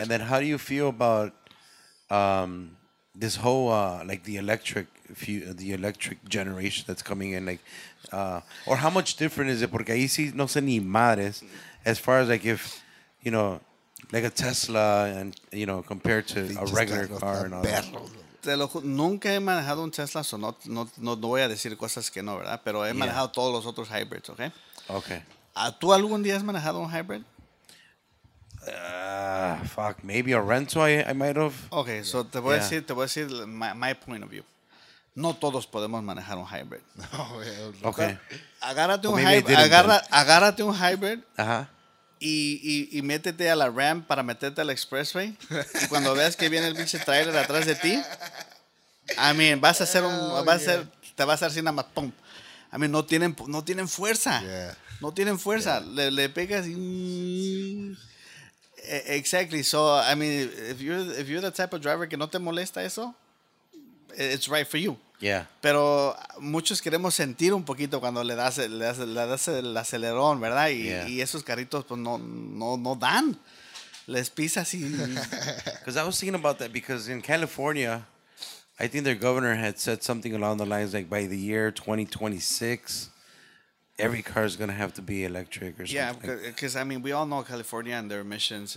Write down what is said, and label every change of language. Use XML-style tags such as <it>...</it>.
<en>And then how do you feel about this whole like the electric generation that's coming in, like or how much different is it?</en> <es>Porque ahí sí no sé ni madres</es> <en>as far as like if you know like a Tesla and you know compared to a regular car and all that.</en> <es>Nunca he manejado un Tesla, so no voy a decir cosas que no, ¿verdad? Pero he manejado todos los otros hybrids, ¿ok? Ok. ¿Tú algún día has manejado un hybrid?</es> <en>Fuck, maybe a rental I might have. Ok, yeah. So</en> <es>te voy a decir</es> <en>my point of view.</en> <es>No todos podemos manejar un hybrid. Ok. Agárrate un hybrid. Ajá. Uh-huh. Y métete a la ramp para meterte al expressway. Y cuando veas que viene el pinche trailer atrás de ti, I mean, vas a hacer un. Te vas a hacer así nada más. Pum. I mean, no tienen fuerza.</es> <en>Yeah.</en> <es>No tienen fuerza. Yeah. Le pegas y. Exactly.</es> <en>So, I mean, if you're the type of driver</en> <es>que no te molesta eso,</es> <en>it's right for you. Yeah.</en> <es>Pero muchos queremos sentir un poquito cuando le das el acelerón, ¿verdad? Y esos carritos pues no dan. Les pisas y</es> <en>because I was thinking about that because in California, I think their governor had said something along the lines like by the year 2026 every car is going to have to be electric or something. Yeah, because I mean, we all know California and their emissions.</en>